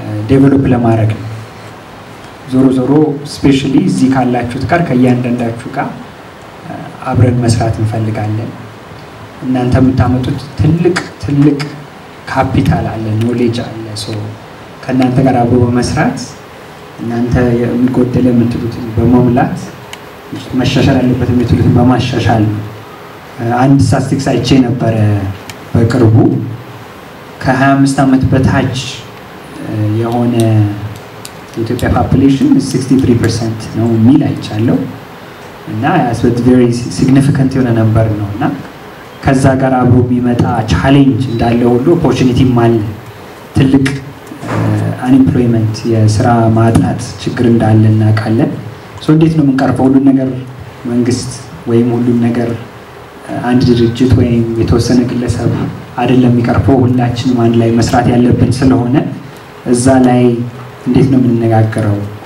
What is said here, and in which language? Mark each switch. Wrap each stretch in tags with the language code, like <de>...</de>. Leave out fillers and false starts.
<am>ዴቨሎፕ ለማድረግ ዞሮ ዞሮ ስፔሻሊ እዚ ካላችሁት ጋር ከያንደንዳችሁ ጋር አብረን መስራት እንፈልጋለን እናንተ የምታመጡት ትልቅ ካፒታል አለ ኖሌጅ አለ ሶ ከእናንተ ጋር አብሮ በመስራት እናንተ የምትጎደለ የምትሉት በመሙላት መሻሻል ያለበት የምትሉት በማሻሻል አንድ ስታቲስቲክስ አይቼ ነበር በቅርቡ ከ25 አመት በታች የሆነ የኢትዮጵያ population 63% ነው የሚል አይቻለሁ</am> <en>Yes, it's very significant to number.</en> <am>ከዛ ጋር አብሮ ቢመጣ ቻሌንጅ እንዳለ ሁሉ ኦፖርቹኒቲ ማል ትልቅ አንኤምፕሎይመንት የሥራ ማጣት ችግር እንዳለ እናቃለን ሶ እንዴት ነው መንቀርፈው ሁሉ ነገር መንግስት ወይም ሁሉ ነገር አንድ ድርጅት ወይም የተወሰነ ግለሰብ አይደለም ይቀርፈው ሁላችንም አንድ ላይ መስራት ያለብን ስለሆነ እዛ ላይ እንዴት ነው ምንነጋገረው</am>